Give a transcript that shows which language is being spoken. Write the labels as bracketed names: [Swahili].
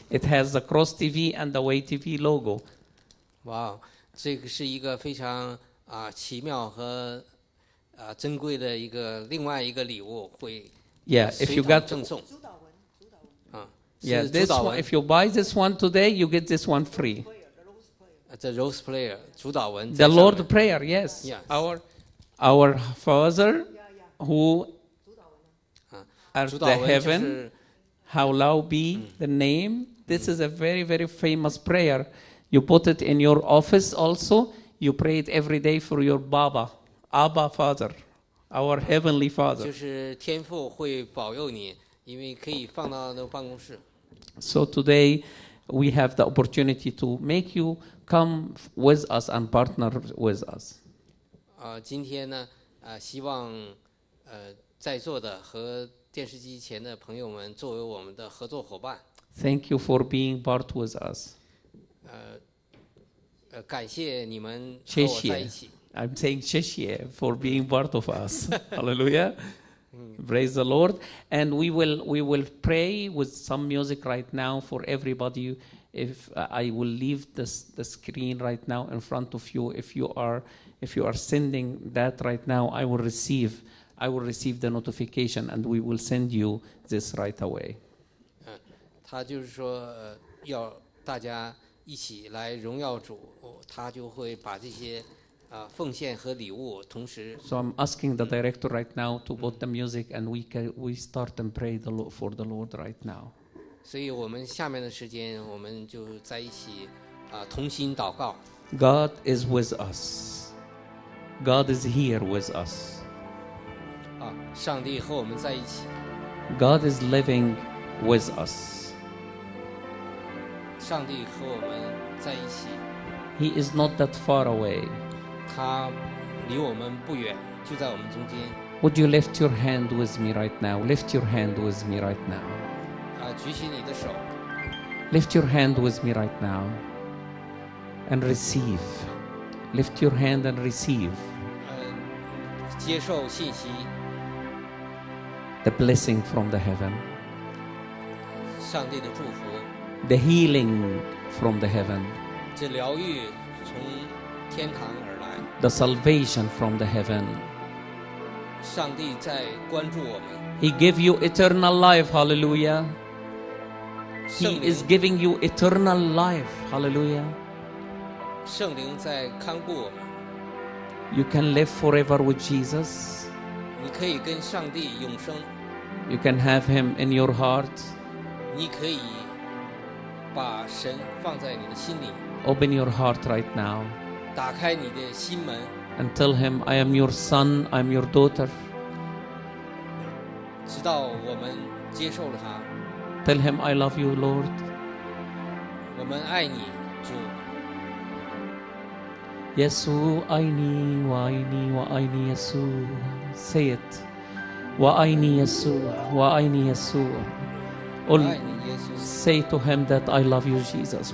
[English] It has the Cross TV and the Way TV logo. Wow. [Chinese] 这个是一个非常奇妙和珍贵的一个另外一个礼物会 [English] if you got [Chinese] 赠送。 [English] This one, if you buy this one today, you get this one free. The Rose Prayer, [Chinese] 主导文。 [English] The Lord Prayer, yes. Yes. Our Father, who are the heaven, hallowed be the name. This is a very, very famous prayer. You put it in your office also. You pray it every day for your Baba, Abba Father, our Heavenly Father. [Chinese] 就是天父会保佑你，因为可以放到那个办公室。 [English] So today, we have the opportunity to make you. Come with us and partner with us. [Chinese] 今天呢，希望在座的和电视机前的朋友们作为我们的合作伙伴。 [English] Thank you for being part with us. [Chinese] 感谢你们和我在一起。谢谢。 [English] I'm saying [Chinese] 谢谢 [English] for being part of us. Hallelujah. Praise the Lord. And we will pray with some music right now for everybody. If I will leave the screen right now in front of you, if you are sending that right now, I will receive the notification, and we will send you this right away. [Chinese] 他就是说要大家一起来荣耀主，他就会把这些奉献和礼物同时。 [English] So I'm asking the director right now to put the music, and we start and pray the Lord for the Lord right now. [Chinese] 所以我们下面的时间，我们就在一起同心祷告。 [English] God is with us. God is here with us. [Chinese] 上帝和我们在一起。 [English] God is living with us. [Chinese] 上帝和我们在一起。 [English] He is not that far away. [Chinese] 他离我们不远，就在我们中间。 [English] Would you lift your hand with me right now? Lift your hand with me right now. [Chinese] 举起你的手。 [English] Lift your hand with me right now and receive. Lift your hand and receive. [Chinese] 接受信息。 [English] The blessing from the heaven. [Chinese] 上帝的祝福。 [English] The healing from the heaven. [Chinese] 这疗愈从天堂而来。 [English] The salvation from the heaven. [Chinese] 上帝在关注我们。 [English] He gave you eternal life, hallelujah. He is giving you eternal life, hallelujah. [Chinese] 圣灵在看顾我们。 [English] You can live forever with Jesus. [Chinese] 你可以跟上帝永生。 [English] You can have him in your heart. [Chinese] 你可以把神放在你的心里。 [English] Open your heart right now. [Chinese] 打开你的心门 [English] and tell him, I am your son, I am your daughter. [Chinese] 直到我们接受了他 [English] Tell him, I love you, Lord. [Chinese] 我们爱你，主。耶稣，爱你，我爱你，我爱你，耶稣。 [English] Say it. [Chinese] 我爱你，耶稣，我爱你，耶稣。我爱你，耶稣。 [English] Say to him that I love you, Jesus.